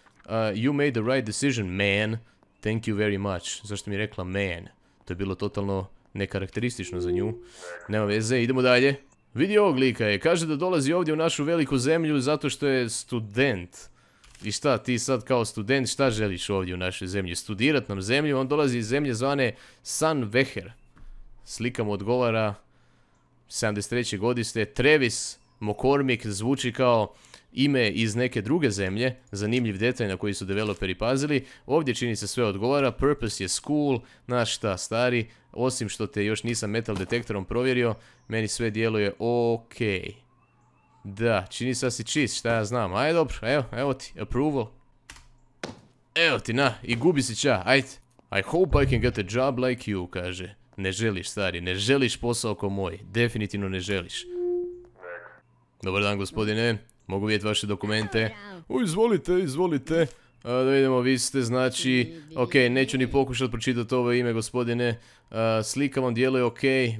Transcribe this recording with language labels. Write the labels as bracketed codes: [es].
[en] You made the right decision, man. Thank you very much. [hr] Zašto mi je rekla man? To je bilo totalno nekarakteristično za nju. Nema veze, idemo dalje. Vidi ovog lika je, kaže da dolazi ovdje u našu veliku zemlju zato što je student. I šta, ti sad kao student, šta želiš ovdje u našoj zemlji? Studirat nam zemlju, on dolazi iz zemlje zvane San Veher. Slika mu odgovara, 73. godište, Travis McCormick, zvuči kao ime iz neke druge zemlje. Zanimljiv detalj na koji su developeri pazili. Ovdje čini se sve odgovara, purpose je school, na šta stari, osim što te još nisam metal detektorom provjerio, meni sve djeluje okej. Okay. Da, čini se da si čist, šta ja znam. Ajde dobro, evo ti, approval. Evo ti, na, i gubi se ča, ajde. [en] I hope I can get a job like you, [hr] kaže. Ne želiš, stari, ne želiš posao ko moj. Definitivno ne želiš. Dobar dan, gospodine. Mogu vidjeti vaše dokumente. Izvolite. Da vidimo, vi ste, znači... Okej, okay, neću ni pokušati pročitati ovo ime, gospodine. Slika vam djeluje okej, okay.